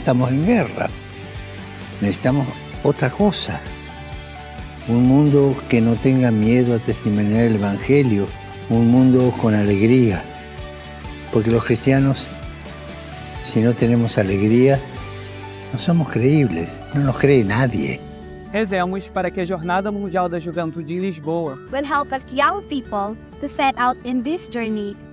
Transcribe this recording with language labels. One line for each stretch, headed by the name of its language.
Spanish: Estamos en guerra, necesitamos otra cosa. Un mundo que no tenga miedo a testimoniar el Evangelio, un mundo con alegría, porque los cristianos, si no tenemos alegría, no somos creíbles, no nos cree nadie.
Portuguese: Rezemos para que a Jornada Mundial da Juventude em Lisboa
English: will help us young people to set out in this journey.